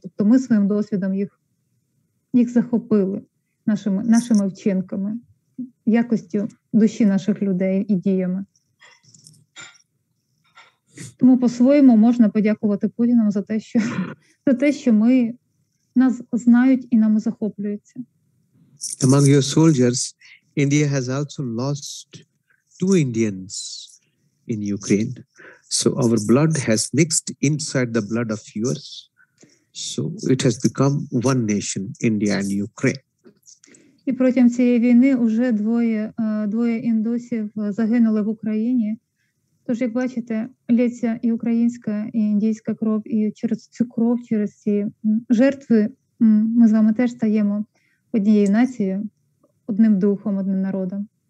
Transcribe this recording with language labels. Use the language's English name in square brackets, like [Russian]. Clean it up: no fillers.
[Ukrainian] Тобто ми своїм досвідом їх захопили нашими вчинками, якістю душі наших людей і діями. Тому по-своєму можна подякувати Путіну за те, що ми нас знають і нами захоплюються. [English] Among your soldiers, India has also lost 2 Indians in Ukraine. So our blood has mixed inside the blood of yours. So it has become one nation, India and Ukraine. [Ukrainian] І протягом цієї війни вже двоє індусів загинули в Україні. Тож, як бачите, лється і українська, і індійська кров, і через цю кров, через ці жертви ми з вами теж стаємо однією нацією, одним духом, одним народом.